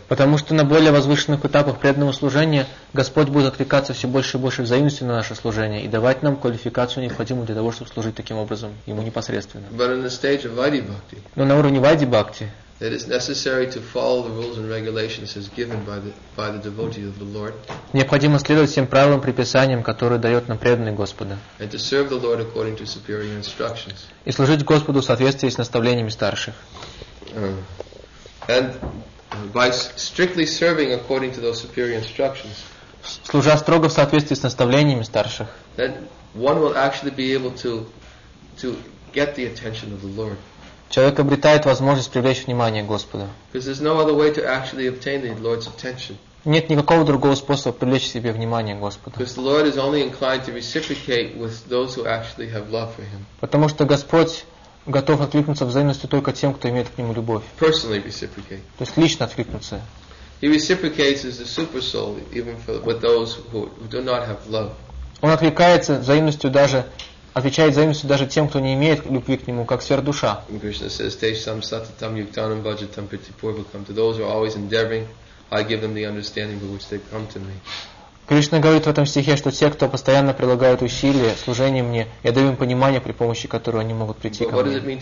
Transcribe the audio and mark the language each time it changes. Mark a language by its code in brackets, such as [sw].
[ru] Потому что на более возвышенных этапах преданного служения Господь будет откликаться все больше и больше взаимностью на наше служение и давать нам квалификацию, необходимую для того, чтобы служить таким образом Ему непосредственно. Но на уровне Вайди-бхакти [en] It is necessary to follow the rules and regulations as given by the devotee of the Lord. [ru] Необходимо следовать всем правилам предписаниям, которые дает нам преданный Господа. [en] And to serve the Lord according to superior instructions. [ru] И служить Господу в соответствии с наставлениями старших. [en] And by strictly serving according to those superior instructions. [ru] Служа строго в соответствии с наставлениями старших. [en] Then one will actually be able to get the attention of the Lord. [ru] Человек обретает возможность привлечь внимание Господа. [en] Because there's no other way to actually obtain the Lord's attention. [ru] Нет никакого другого способа привлечь к себе внимание Господа. [en] Because the Lord is only inclined to reciprocate with those who actually have love for Him. [ru] Потому что Господь готов откликнуться взаимностью только тем, кто имеет к Нему любовь. [en] Personally reciprocate. [ru] То есть лично откликнуться. [en] He reciprocates as the super soul, even with those who do not have love. [ru] Он откликается взаимностью даже. Отвечает взаимностью даже тем, кто не имеет любви к нему, как сверхдуша. Кришна говорит в этом стихе, что те, кто постоянно прилагают усилия, служение мне, я даю им понимание, при помощи которого они могут прийти ко мне.